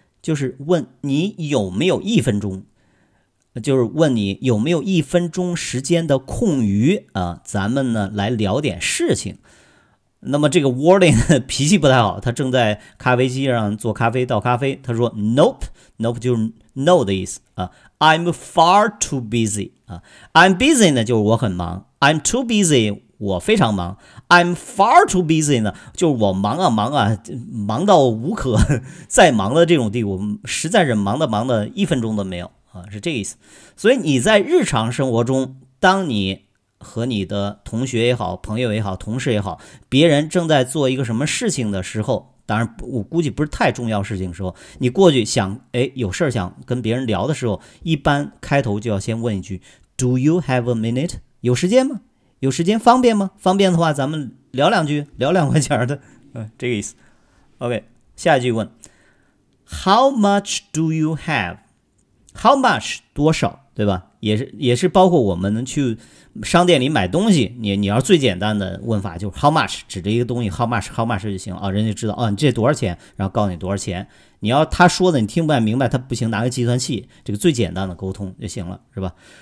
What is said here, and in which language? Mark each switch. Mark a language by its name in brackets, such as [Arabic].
[Chinese] 就是问你有没有一分钟，就是问你有没有一分钟时间的空余啊，咱们呢来聊点事情。那么这个 Wally 脾气不太好，他正在咖啡机上做咖啡倒咖啡，他说 ， [English] Nope，Nope [Chinese] 就是 No 的意思啊。 [English] I'm far too busy 啊 ，I'm busy [Chinese] 呢就是我很忙。 [English] I'm too busy， [Chinese] 我非常忙。 [English] I'm far too busy [Chinese] 呢，就是我忙啊忙啊，忙到无可再忙的这种地步，实在是忙的忙的一分钟都没有啊，是这个意思。所以你在日常生活中，当你和你的同学也好、朋友也好、同事也好，别人正在做一个什么事情的时候，当然我估计不是太重要事情的时候，你过去想，哎，有事想跟别人聊的时候，一般开头就要先问一句 ， [English] Do you have a minute？ [Chinese] 有时间吗？有时间方便吗？方便的话咱们聊两句，聊两块钱的，这个意思。 [English] OK， [Chinese] 下一句问 [English] How much do you have? How much [Chinese] 多少，对吧？也是包括我们去商店里买东西，你要最简单的问法就是 How much， 指着一个东西 How much 就行啊，人家知道啊，你这多少钱，然后告诉你多少钱。你要他说的你听不太明白，他不行，拿个计算器，这个最简单的沟通就行了，是吧？